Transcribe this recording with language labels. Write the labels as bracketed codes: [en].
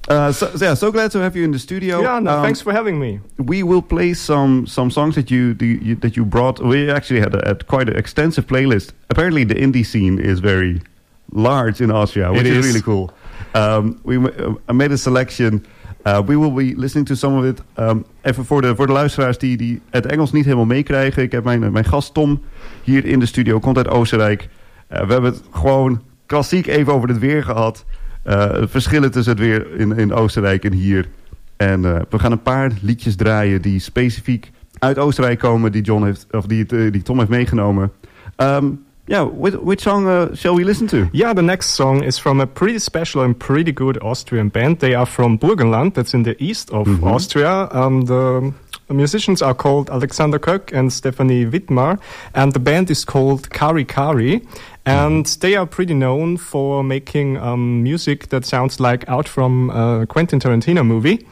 [en] So glad to have you in the studio. Yeah, no, thanks for having me. We will play some songs that you brought. We actually had a quite an extensive playlist. Apparently, the indie scene is very large in Austria, which is really cool. I made a selection. We will be listening to some of it. [nl] Even voor de luisteraars die het Engels niet helemaal meekrijgen. Ik heb mijn gast Tom hier in de studio. Komt uit Oostenrijk. We hebben het gewoon klassiek even over het weer gehad. Verschillen tussen het weer in Oostenrijk en hier. En we gaan een paar liedjes draaien die specifiek uit Oostenrijk komen, die Tom heeft meegenomen. [en] Which song shall we listen to? Yeah, the next song is from a pretty special and pretty good Austrian band. They are from Burgenland, that's in the east of Austria. The musicians are called Alexander Kirk and Stephanie Wittmar, and the band is called Kari Kari. And they are pretty known for making music that sounds like out from a Quentin Tarantino movie.